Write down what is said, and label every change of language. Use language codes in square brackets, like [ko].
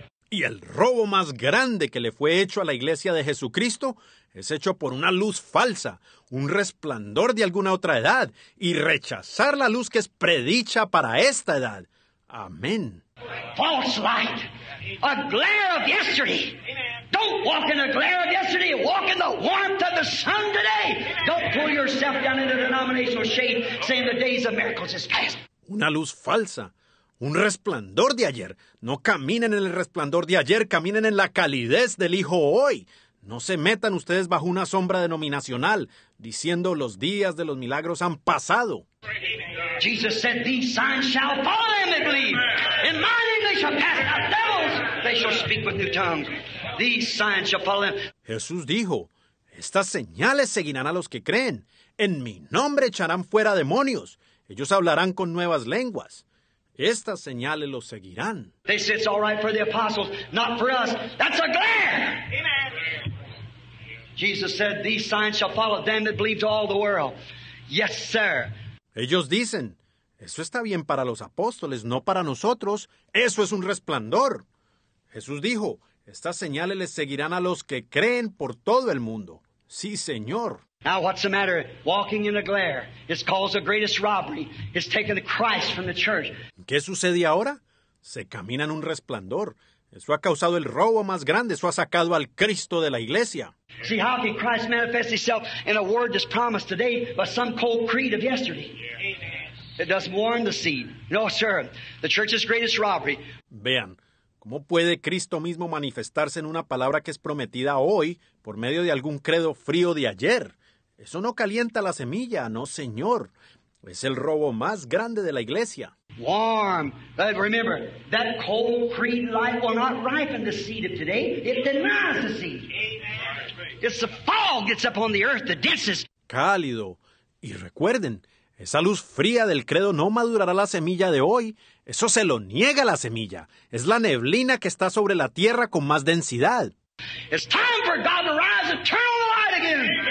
[es] Y el robo más grande que le fue hecho a la iglesia de Jesucristo es hecho por una luz falsa, un resplandor de alguna otra edad, y rechazar la luz que es predicha para esta edad. Amén. [en] False light, a glare of yesterday. Don't walk in the glare of yesterday, walk in the warmth of the sun today. Don't pull yourself down into denominational shade, saying the days of miracles is past. [es] Una luz falsa, un resplandor de ayer. No caminen en el resplandor de ayer, caminen en la calidez del Hijo hoy. No se metan ustedes bajo una sombra denominacional, diciendo los días de los milagros han pasado. [en] Jesus said, these signs shall follow them that believe. In my name they shall cast out devils. They shall speak with new tongues. These signs shall follow them. [es] Jesús dijo, estas señales seguirán a los que creen. En mi nombre echarán fuera demonios. Ellos hablarán con nuevas lenguas. Estas señales los seguirán. [en] They said it's all right for the apostles, not for us. That's a glare. Amen. Jesus said, these signs shall follow them that believe to all the world. Yes, sir. [es] Ellos dicen, eso está bien para los apóstoles, no para nosotros. Eso es un resplandor. Jesús dijo, estas señales les seguirán a los que creen por todo el mundo. Sí, Señor. [en] Now, what's the matter? Walking in a glare. It's called the greatest robbery. It's taken the Christ from the church. [es] ¿Qué sucede ahora? Se camina en un resplandor. Eso ha causado el robo más grande. Eso ha sacado al Cristo de la iglesia. [en] See how can Christ manifest himself in a word that's promised today by some cold creed of yesterday? It doesn't warn the seed. No, sir. The church's greatest robbery. [es] Vean, ¿cómo puede Cristo mismo manifestarse en una palabra que es prometida hoy por medio de algún credo frío de ayer? Eso no calienta la semilla, no, señor. Es el robo más grande de la iglesia. [en] Warm. But remember, that cold creed light will not ripen the seed of today. It denies the seed. Amen. It's the fog that's up on the earth, the densest. [es] Cálido. Y recuerden, esa luz fría del credo no madurará la semilla de hoy. Eso se lo niega la semilla. Es la neblina que está sobre la tierra con más densidad. [en] It's time for God to rise and turn on the light again.